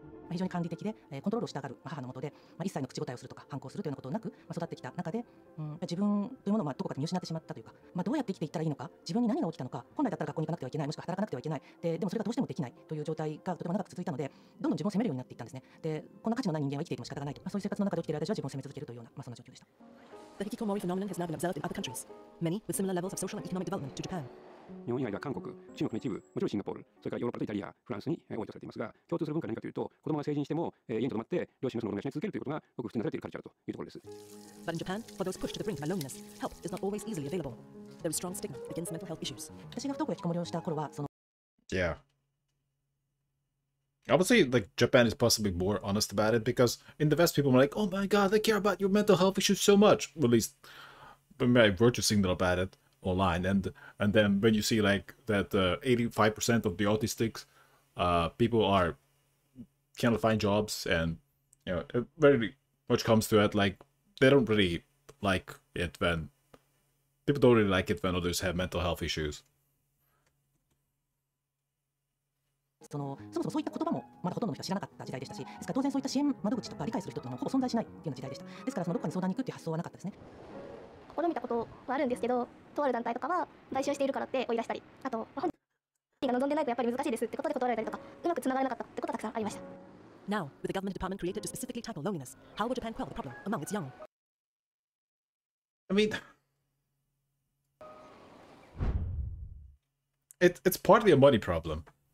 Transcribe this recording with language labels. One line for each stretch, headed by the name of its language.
Japanese: 非常に管理的で、コントロールをしたがる母の下で、一切の口答えをするとか反抗するというようなことなく、育ってきた中で、自分というものをどこかで見失ってしまったというか、どうやって生きていったらいいのか、自分に何が起きたのか、本来だったら学校に行かなくてはいけない、もしくは働かなくてはいけない、でもそれがどうしてもできないという状態がとても長く続いたので、どんどん自分を責めるようになっていったんですね。で、こんな価値のない人間は生きていても仕方がないと、そういう生活の中で生きている私は自分を責め続けるというような、そんな状況でした。
English: The Hikikomori phenomenon has now been observed in other countries. Many with similar levels of social and economic development to Japan.
Japanese: 日本以外では韓国、中国の一部、もちろんシンガポール、それからヨーロッパとイタリア、フランスに応用されていますが、共通する文化は何かというと、子供が成人しても、家に留まって両親の子供が続けるということがごく普通なされているカルチャーというところです。
English: But in Japan, for those pushed to the brink of loneliness, help is not always easily available. There is strong stigma against mental health issues.
Japanese: 私が不登校や引きこもりをした頃は、その…
English: Yeah. I would say like, Japan is possibly more honest about it, because in the West, people are like, oh my god, they care about your mental health issues so much. At least, my virtue signal about it. Online and then when you see like that 85% of the autistic people are cannot find jobs and you know it very much comes to it like they don't really like it when people don't really like it when others have mental health issues.
Japanese: そのそもそもそういった言葉もまだほとんどの人は知らなかった時代でしたし、ですから当然そういった支援窓口とか理解する人というのもほぼ存在しないというような時代でした。ですからそのどこかに相談に行くという発想はなかったですね。試みたことはあるんですけど、とある団体とかは代償しているからって追い出したり、あと本人が望んでないとやっぱり難しいですってことで断られたりとか、うまく繋がらなかったってことがたくさんありました。
English: Now, with the government department created to specifically tackle loneliness, how would Japan quell the problem among its young? I mean, it's partly a money problem.